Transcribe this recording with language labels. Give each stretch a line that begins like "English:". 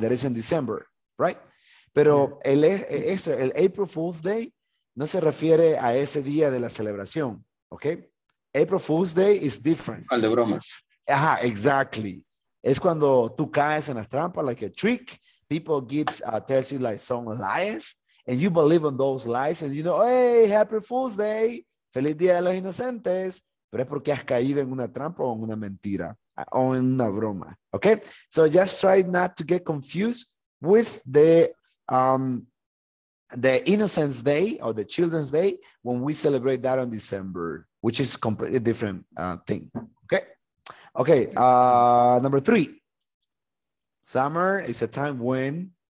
English: That is in December, right?
Spanish: Pero el April Fool's Day no se refiere a ese día de la celebración, ¿ok?
English: April Fool's Day is different.
Spanish: Al de bromas.
English: Ajá, exactly.
Spanish: Es cuando tú caes en la trampa,
English: like a trick. People tells you like some lies, and you believe in those lies, and you know, hey, happy Fool's Day.
Spanish: Feliz Día de los Inocentes. Pero es porque has caído en una trampa o en una mentira, o en una broma, ¿ok?
English: So just try not to get confused with the Innocence Day or the Children's Day when we celebrate that on December, which is completely different thing. Okay, Okay, number three. Summer is a time when?